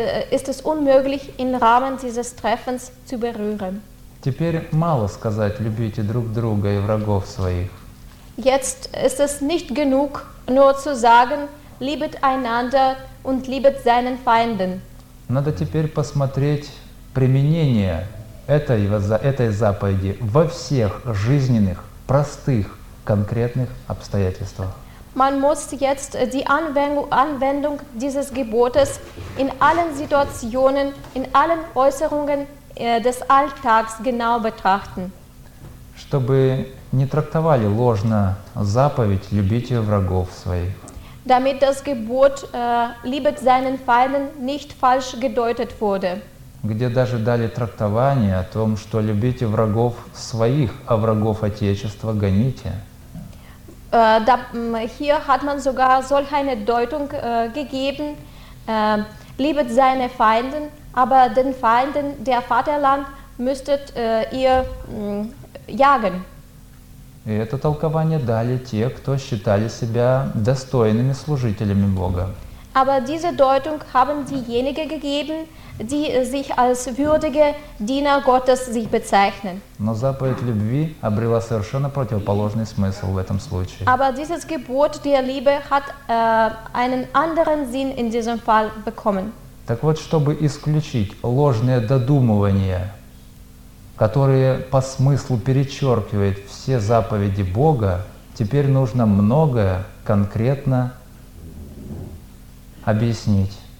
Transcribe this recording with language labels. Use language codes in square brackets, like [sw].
[de] ist es unmöglich, im Rahmen dieses Treffens zu berühren. [ru] Теперь мало сказать, любите друг друга и врагов своих. [de] Jetzt ist es nicht genug, nur zu sagen, liebet einander und liebet seinen Feinden. [ru] Надо теперь посмотреть применение этой заповеди во всех жизненных, простых, конкретных обстоятельствах. [de] Man muss jetzt die Anwendung dieses Gebotes in allen Situationen, in allen Äußerungen des Alltags genau betrachten. [ru] Чтобы не трактовали ложно заповедь «любите врагов своих». [de] Damit das Gebot «liebet seinen Feinden» nicht falsch gedeutet wurde. [ru] Где даже дали трактование о том, что «любите врагов своих, а врагов Отечества гоните». [de] Da, hier hat man sogar solch eine Deutung gegeben, liebet seine Feinden, aber den Feinden der Vaterland müsstet ihr jagen. [ru] И это толкование дали те, кто считали себя достойными служителями Бога. [de] Aber diese Deutung haben diejenigen gegeben, die sich als würdige Diener Gottes sich bezeichnen. [ru] Но заповедь любви обрела совершенно противоположный смысл в этом случае. [de] Aber dieses Gebot der Liebe hat einen anderen Sinn in diesem Fall bekommen. [ru] Так вот, чтобы исключить ложные додумывания, которые по смыслу перечеркивают все заповеди Бога, теперь нужно многое конкретно объяснить.